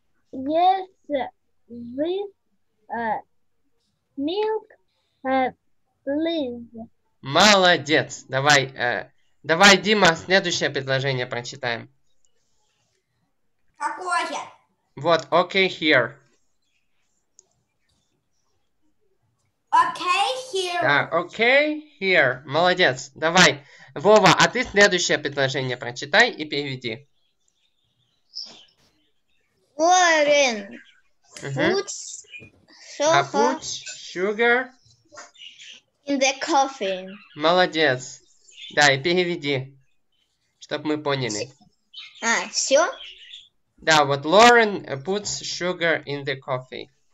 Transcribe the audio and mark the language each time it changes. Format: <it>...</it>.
<en>Yes, with milk, please.</en> <ru>Молодец. Давай, давай, Дима, следующее предложение прочитаем. Какое? Вот,</ru> <en>okay, here. Okay, here.</en> <ru>Да,</ru> <en>okay, here.</en> <ru>Молодец. Давай. Вова, а ты следующее предложение прочитай и переведи.</ru> <en>Warren, puts sofa sugar in the coffee.</en> <ru>Молодец. Да, и переведи, чтоб мы поняли. А, все? Да, вот</ru> <en>Lauren puts sugar in the coffee.</en>